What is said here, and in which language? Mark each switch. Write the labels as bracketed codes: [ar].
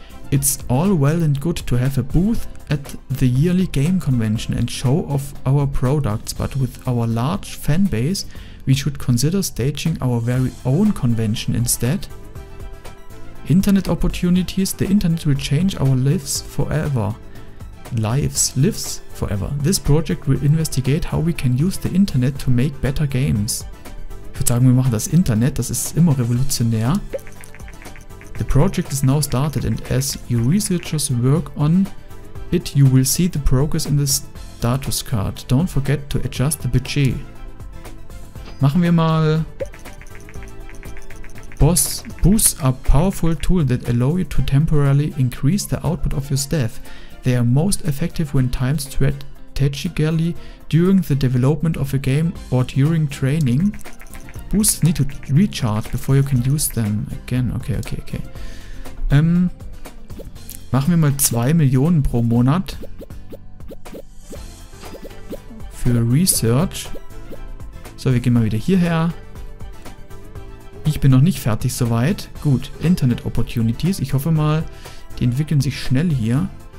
[en] It's all well and good to have a booth at the yearly game convention and show off our products, but with our large fan base, we should consider staging our very own convention instead. Internet opportunities. The internet will change our lives forever. This project will investigate how we can use the internet to make better games. [de] Ich würde sagen, wir machen das Internet, das ist immer revolutionär. [en] The project is now started and as your researchers work on it, you will see the progress in the status card. Don't forget to adjust the budget. [de] Machen wir mal. [en] Boosts are powerful tools that allow you to temporarily increase the output of your staff. They are most effective when timed strategically during the development of a game or during training. Boosts need to recharge before you can use them again. Okay. [de] Machen wir mal 2 Millionen pro Monat für Research. So, wir gehen mal wieder hierher. Ich bin noch nicht fertig soweit. Gut, Internet Opportunities. Ich hoffe mal, die entwickeln sich schnell hier.